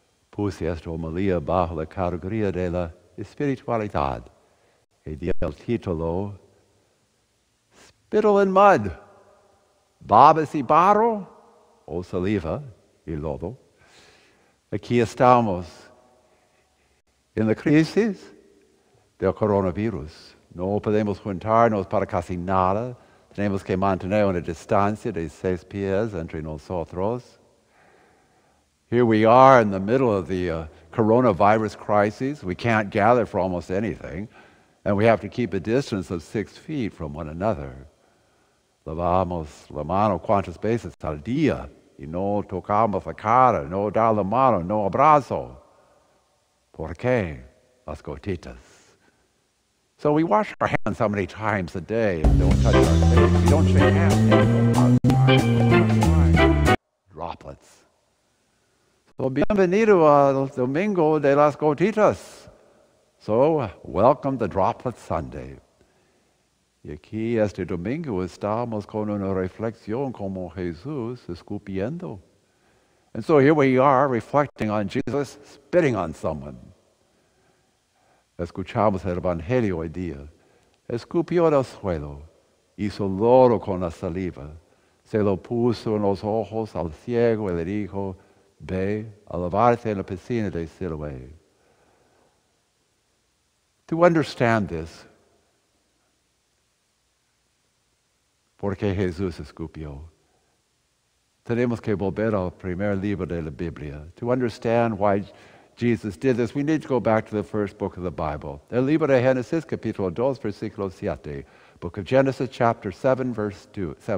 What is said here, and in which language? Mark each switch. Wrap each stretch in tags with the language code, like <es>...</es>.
<es>Puse esta homilía bajo la categoría de la espiritualidad y di el título</es> <en>Spittle and Mud,</en> <es>Babas y Barro, o saliva y lodo. Aquí estamos en la crisis del coronavirus. No podemos juntarnos para casi nada. Tenemos que mantener una distancia de 6 pies entre nosotros.</es> <en>Here we are in the middle of the coronavirus crisis. We can't gather for almost anything, and we have to keep a distance of 6 feet from one another.</en> <es>lavamos la mano cuantas veces al día y no tocamos la cara, no dar la mano, no abrazo. ¿Por qué? Las gotitas.</es> <en>So we wash our hands how many times a day and don't touch our face. We don't shake hands. Droplets.</en> <es>So bienvenido al domingo de las gotitas.</es> <en>So welcome to Droplet Sunday.</en> <es>Y aquí este domingo estamos con una reflexión como Jesús escupiendo.</es> <en>And so here we are reflecting on Jesus spitting on someone.</en> <es>Escuchamos el Evangelio hoy día. Escupió en el suelo, hizo lodo con la saliva, se lo puso en los ojos al ciego y le dijo, ve a lavarte en la piscina de Siloé.</es> <en>To understand this,</en> <es>porque Jesús escupió, tenemos que volver al primer libro de la Biblia.</es> <en>To understand why Jesus did this, we need to go back to the first book of the Bible.</en> <es>El libro de Génesis, capítulo 2, versículo 7.</es> <en>Book of Genesis, chapter 7, verse 2.</en>